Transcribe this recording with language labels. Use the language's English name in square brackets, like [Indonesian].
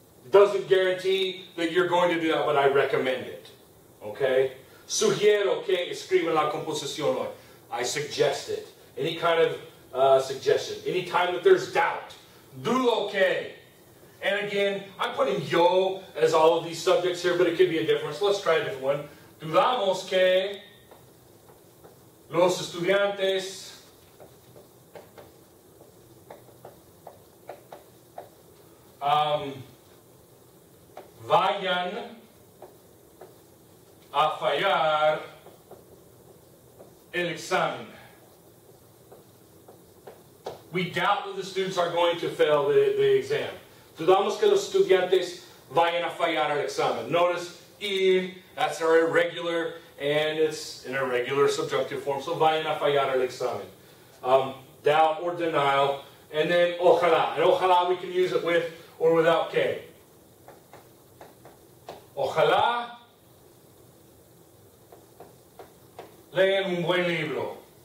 [English] Doesn't guarantee that you're going to do that, but I recommend it. [Spanish] Okay? Sugiero que escriban la composición hoy. [English] I suggest it. Any kind of suggestion. Any time that there's doubt. [Spanish] Dudo que. [English] And again, I'm putting yo as all of these subjects here, but it could be a difference. Let's try a different one. [Spanish] Dudamos que los estudiantes vayan a fallar el examen. [English] We doubt that the students are going to fail the exam. [Spanish] Dudamos que los estudiantes vayan a fallar el examen. [English] Notice, ir, that's our irregular, and it's an irregular subjunctive form. [Spanish] So, vayan a fallar el examen. [English] Doubt or denial. And then, ojalá. And ojalá we can use it with or without que. [Spanish] Ojalá lean un buen libro.